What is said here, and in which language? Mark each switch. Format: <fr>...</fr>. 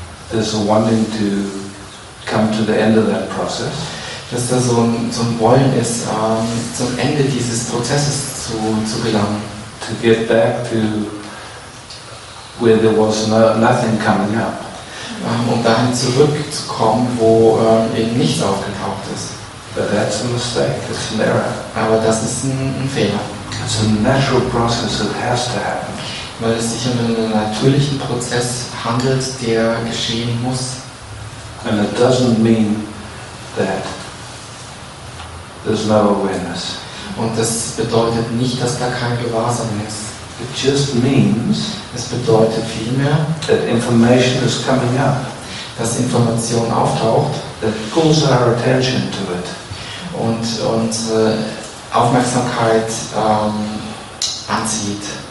<en>there's a wanting to come to the end of that process.</en> <de>Dass da so ein Wollen ist, zum Ende dieses Prozesses zu gelangen.</de> <en>To get back to where there was nothing coming up.</en> <de>Um dahin zurückzukommen, wo eben nichts aufgetaucht ist.</de> <en>But that's a mistake, it's an error.</en> <de>Aber das ist ein Fehler.</de> <en>It's a natural process that has to happen.</en> <de>Weil es sich um einen natürlichen Prozess handelt, der geschehen muss.</de> <en>And it doesn't mean that there's no awareness.</en> <de>Und das bedeutet nicht, dass da kein Gewahrsein ist.</de> <en>It just means,</en> <de>es bedeutet vielmehr,</de> <en>that information is coming up.</en> <de>Dass Information auftaucht,</de> <en>that pulls our attention to it.</en> <de>Und Aufmerksamkeit anzieht.</de>